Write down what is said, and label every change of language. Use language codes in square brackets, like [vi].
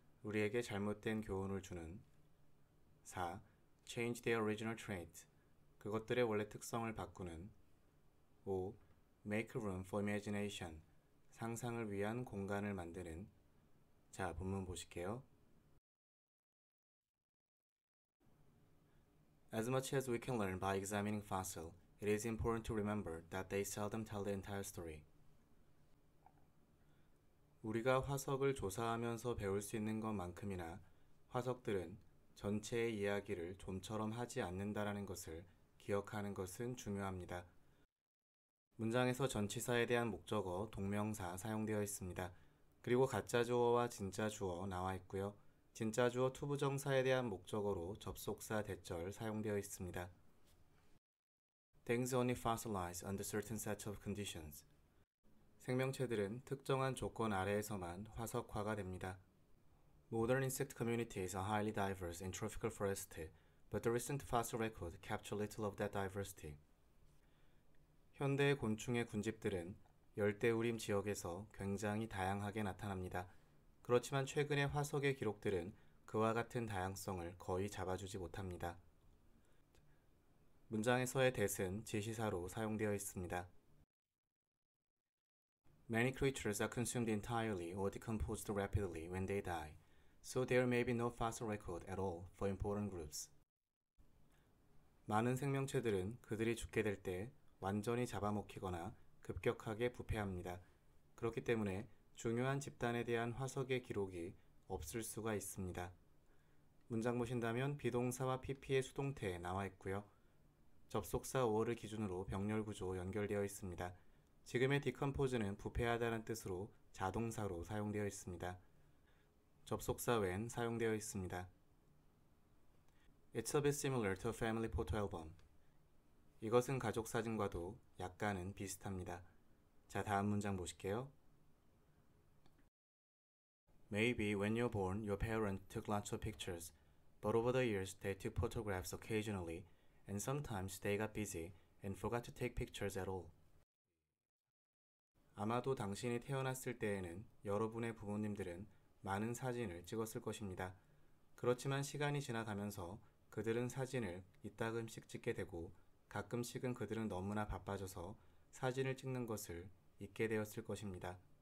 [ko] 우리에게 잘못된 교훈을 주는 4. [en] Change their original trait. [ko] 그것들의 원래 특성을 바꾸는 5. [en] Make room for imagination. [ko] 상상을 위한 공간을 만드는 자, 본문 보실게요. [en] As much as we can learn by examining fossils, it is important to remember that they seldom tell the entire story. [ko] 우리가 화석을 조사하면서 배울 수 있는 것만큼이나 화석들은 전체의 이야기를 좀처럼 하지 않는다라는 것을 기억하는 것은 중요합니다. 문장에서 전치사에 대한 목적어, 동명사 사용되어 있습니다. 그리고 가짜 주어와 진짜 주어 나와 있고요. 진짜 주어 투부정사에 대한 목적어로 접속사 대절 사용되어 있습니다. [en] Things only fossilize under certain sets of conditions. [ko] 생명체들은 특정한 조건 아래에서만 화석화가 됩니다. [en] Modern insect communities are highly diverse in tropical forests, but the recent fossil record captures little of that diversity. [ko] 현대의 곤충의 군집들은 열대우림 지역에서 굉장히 다양하게 나타납니다. 그렇지만 최근의 화석의 기록들은 그와 같은 다양성을 거의 잡아주지 못합니다. 문장에서의 that은 지시사로 사용되어 있습니다. [en] Many creatures are consumed entirely or decomposed rapidly when they die. So there may be no fossil record at all for important groups. [ko] 많은 생명체들은 그들이 죽게 될 때 완전히 잡아먹히거나 급격하게 부패합니다. 그렇기 때문에 중요한 집단에 대한 화석의 기록이 없을 수가 있습니다. 문장 보신다면 비동사와 PP의 수동태에 나와 있고요. 접속사 5어를 기준으로 병렬 구조 연결되어 있습니다. 지금의 decompose는 부패하다는 뜻으로 자동사로 사용되어 있습니다. 접속사 when 사용되어 있습니다. [en] It's a bit similar to a family photo album. [ko] 이것은 가족 사진과도 약간은 비슷합니다. 자, 다음 문장 보실게요. [en] Maybe when you're born, your parents took lots of pictures. But over the years, they took photographs occasionally, and sometimes they got busy and forgot to take pictures at all. [ko] 아마도 당신이 태어났을 때에는 여러분의 부모님들은 많은 사진을 찍었을 것입니다. 그렇지만 시간이 지나가면서 그들은 사진을 이따금씩 찍게 되고 가끔씩은 그들은 너무나 바빠져서 사진을 찍는 것을 잊게 되었을 것입니다.